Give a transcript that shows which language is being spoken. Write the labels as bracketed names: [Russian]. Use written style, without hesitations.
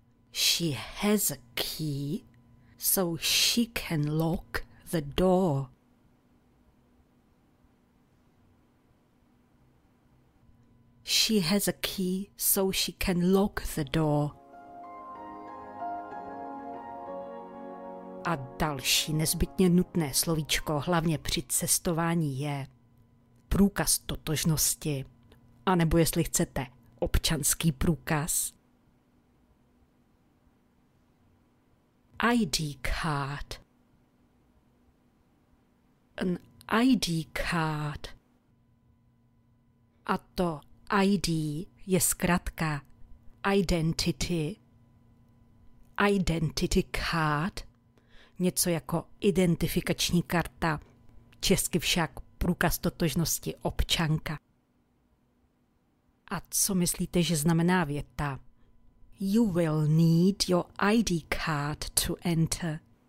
[English] She has a key, so she can lock the door. She has a key, so she can lock the door. [Czech] a další nezbytně nutné slovíčko, hlavně při cestování, je průkaz totožnosti, anebo jestli chcete, občanský průkaz. [English] ID card. An ID card. [Czech] A to ID je zkratka identity. [English] Identity card. [Czech] Něco jako identifikační karta, česky však průkaz totožnosti občanka. A co myslíte, že znamená věta? [English] You will need your ID card to enter.